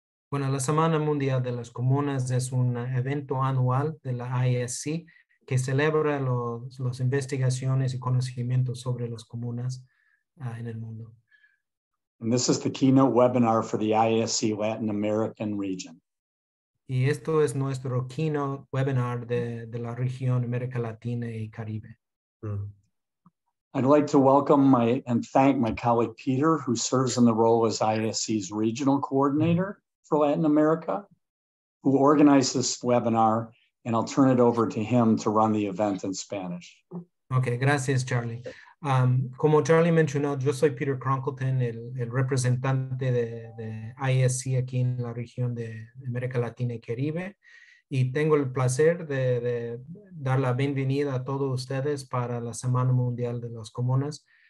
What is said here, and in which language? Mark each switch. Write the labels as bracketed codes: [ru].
[es] Bueno, la Semana Mundial de las Comunas es un evento anual de la ISC que celebra las investigaciones y conocimientos sobre las comunas en el mundo. [en] And this is the keynote webinar for the ISC Latin American region. [es] Y esto es nuestro keynote webinar de la región América Latina y Caribe. [en] I'd like to welcome and thank my colleague Peter, who serves in the role as ISC's regional coordinator for Latin America, who organized this webinar, and I'll turn it over to him to run the event in Spanish. [es] Okay, gracias, Charlie. Como Charlie mencionó, yo soy Peter Cronkleton, el representante de ISC aquí en la región de América Latina y Caribe, y tengo el placer de dar la bienvenida a todos ustedes para la Semana Mundial de las Comunas.